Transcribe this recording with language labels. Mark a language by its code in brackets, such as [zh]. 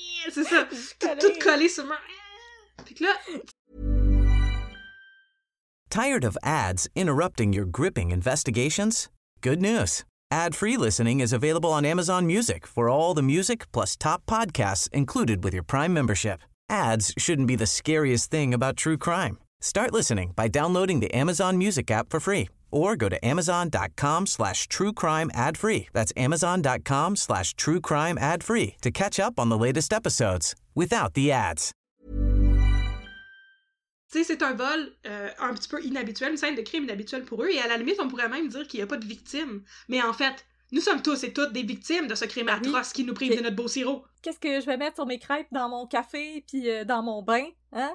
[fr] C'est ça, tout collé sur moi. Puis là. [en] Tired of ads interrupting your gripping investigations? Good news. Ad-free listening is available on Amazon Music for all the music plus top podcasts included with your Prime membership. Ads shouldn't be the scariest thing about true crime. Start listening by downloading the Amazon Music app for free or go to amazon.com/truecrimeadfree. That's amazon.com/truecrimeadfree to catch up on the latest episodes without the ads. [fr] Tu sais, c'est un vol un petit peu inhabituel, une scène de crime inhabituelle pour eux, et à la limite, on pourrait même dire qu'il n'y a pas de victime. Mais en fait, nous sommes tous et toutes des victimes de ce crime atroce qui nous prive de notre beau sirop. Qu'est-ce que je vais mettre sur mes crêpes, dans mon café, puis dans mon bain, hein?